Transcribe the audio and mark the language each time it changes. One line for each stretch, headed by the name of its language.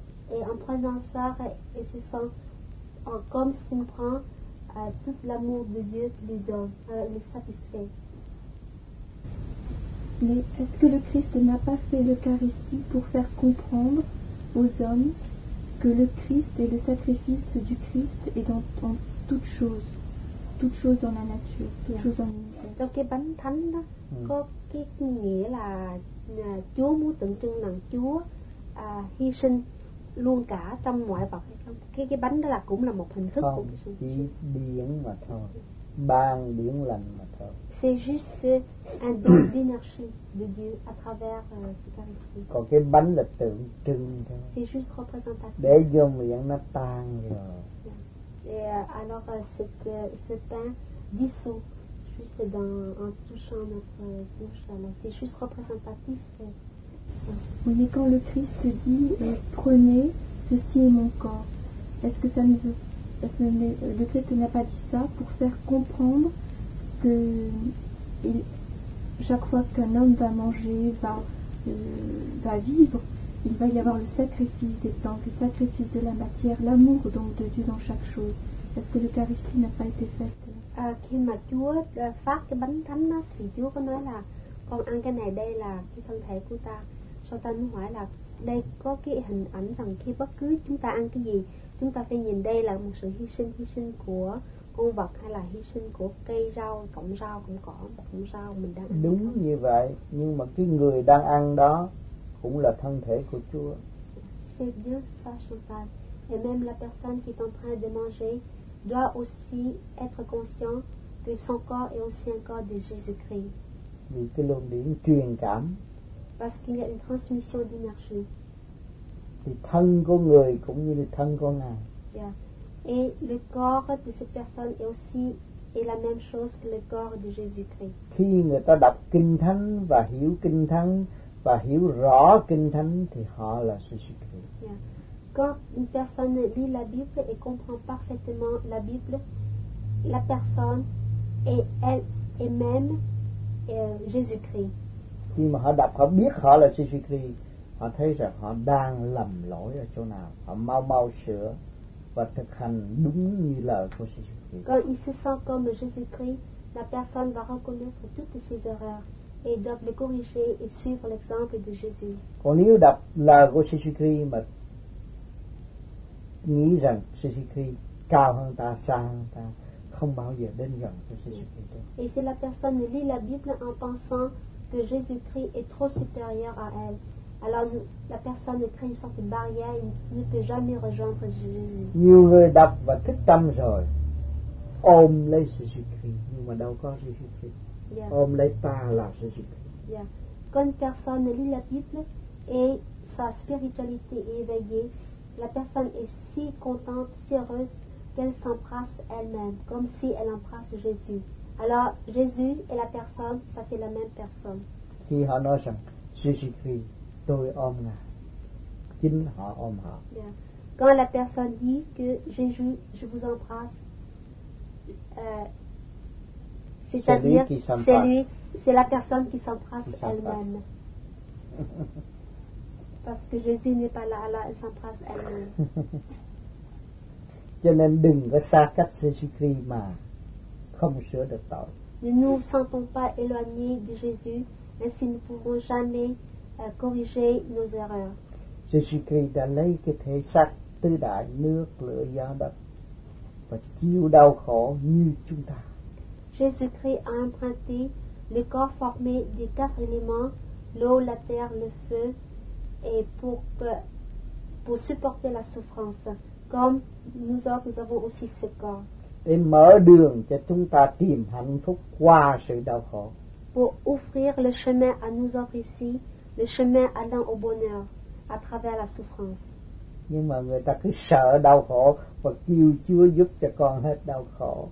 French: Et en prenant ça, elle se sent comme s'il prend tout l'amour de Dieu qui lui donne, le satisfait. Mais est-ce que le Christ n'a pas fait l'Eucharistie pour faire comprendre aux hommes que le Christ est le sacrifice du Christ et dans toutes choses dans la nature, toutes choses en nous.
Vietnamese: Trong cái bánh thánh đó có cái nghĩa là Chúa muốn tượng trưng rằng Chúa hy sinh luôn cả trong mọi vật. Cái bánh đó là cũng là một hình thức của Chúa. Chỉ điển mà thôi. Ban điển lành mà thôi.
French: C'est juste un don d'énergie de Dieu à travers l'Eucharistie.
Vietnamese: Còn cái bánh là tượng trưng thôi.
French: C'est juste représentatif.
Vietnamese: Để vô miệng nó tan rồi.
English: Yeah.
French: Et alors voir ce que ce pain dissout juste dans, en touchant notre bouche. Alors, c'est juste représentatif. Mais quand le Christ dit prenez, ceci est mon corps, est-ce que ça ne veut pas... Le Christ n'a pas dit ça pour faire comprendre que chaque fois qu'un homme va manger, va vivre, il va y avoir le sacrifice des temps, le sacrifice de la matière, l'amour donc de Dieu dans chaque chose. Est-ce que l'Eucharistie n'a pas été faite?
Vietnamese: Khi mà Chúa phát cái bánh thánh đó, thì Chúa có nói là con ăn cái này đây là cái thân thể của ta. Sau ta muốn hỏi là đây có cái hình ảnh rằng khi bất cứ chúng ta ăn cái gì, chúng ta phải nhìn đây là một sự hy sinh của con vật hay là hy sinh của cây rau, cọng rau, cọng cỏ, cọng rau mình đang ăn. Đúng như vậy, nhưng mà cái người đang ăn đó cũng là thân thể của Chúa.
French: C'est bien ça, Chantal. Et même la personne qui est en train de manger doit aussi être conscient que son corps est aussi un corps de Jésus-Christ.
Vietnamese: Vì cái luồng điện truyền cảm.
French: Parce qu'il y a une transmission d'énergie.
Vietnamese: Thì thân của người cũng như là thân của ngài.
English: Yeah.
French: Et le corps de cette personne est aussi est la même chose que le corps de Jésus-Christ.
Vietnamese: Khi người ta đọc kinh thánh và hiểu kinh thánh và hiểu rõ kinh thánh thì họ là Jésus-Christ.
English: Yeah.
French: Quand une personne lit la Bible et comprend parfaitement la Bible, la personne est elle est même Jésus-Christ.
Vietnamese: Khi mà họ đọc họ biết họ là Jésus-Christ. Họ thấy rằng họ đang lầm lỗi ở chỗ nào, họ mau mau sửa và thực hành đúng như lời của Jésus-Christ.
French: Quand il se sent comme Jésus-Christ, la personne va reconnaître toutes ses erreurs et doit le corriger et suivre l'exemple de Jésus.
Vietnamese: Còn nếu đọc lời của Jésus-Christ mà nghĩ rằng Jésus-Christ cao hơn ta, xa hơn ta, không bao giờ đến gần của Jésus-Christ.
French: Et si la personne lit la Bible en pensant que Jésus-Christ est trop supérieur à elle, alors la personne crée une sorte de barrière, ne peut jamais rejoindre Jésus.
Vietnamese: Nhiều người đọc và thích tâm rồi ôm lấy Jésus-Christ, nhưng mà đâu có Jésus-Christ.
English: Yeah.
Vietnamese: Ôm lấy ta là Jésus-Christ.
English: Yeah.
French: Quand une personne lit la Bible et sa spiritualité est éveillée, la personne est si contente, si heureuse qu'elle s'embrasse elle-même, comme si elle embrasse Jésus. Alors Jésus et la personne, ça fait la même personne.
Vietnamese: Khi họ nói rằng Jésus-Christ, tôi ôm ngài, chính họ ôm họ.
English: Yeah.
French: Quand la personne dit que Jésus, je vous embrasse, c'est-à-dire, c'est lui, c'est la personne qui s'embrasse elle-même. Parce que Jésus n'est pas là, alors elle s'embrasse elle-même.
Vietnamese: Cho nên đừng có xa cách Jésus-Christ mà không sửa được tội.
French: Ne nous sentons pas éloignés de Jésus, ainsi nous ne pourrons jamais corriger nos erreurs.
Vietnamese: Jésus-Christ đã lấy cái thể xác tứ đại nước lửa gió đất và chịu đau khổ như chúng ta.
French: Jésus-Christ a emprunté le corps formé des quatre éléments, l'eau, la terre, le feu, et pour supporter la souffrance, comme nous autres nous avons aussi ce corps.
Vietnamese: Để mở đường cho chúng ta tìm hạnh phúc qua sự đau khổ.
French: Pour offrir le chemin à nous autres ici, le chemin allant au bonheur à travers la souffrance.
Vietnamese: Nhưng mà người ta cứ sợ đau khổ và kêu Chúa giúp cho con hết đau khổ.